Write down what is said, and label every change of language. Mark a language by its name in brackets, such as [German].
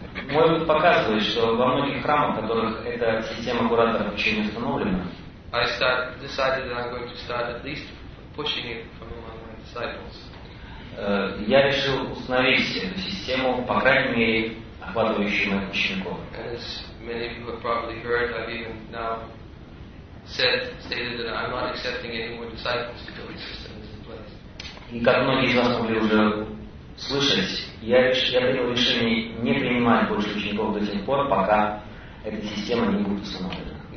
[Russian] Мой опыт показывает, что во многих храмах, в которых эта система кураторов еще не установлена, я решил установить эту систему, по крайней мере, охватывающую моих учеников. [English] As many of you have probably heard, I've even now stated that I'm not accepting any more disciples until the system is in place. [Russian] И как многие из вас могли уже слышать, я принял решение не принимать больше учеников до тех пор, пока эта система не будет установлена.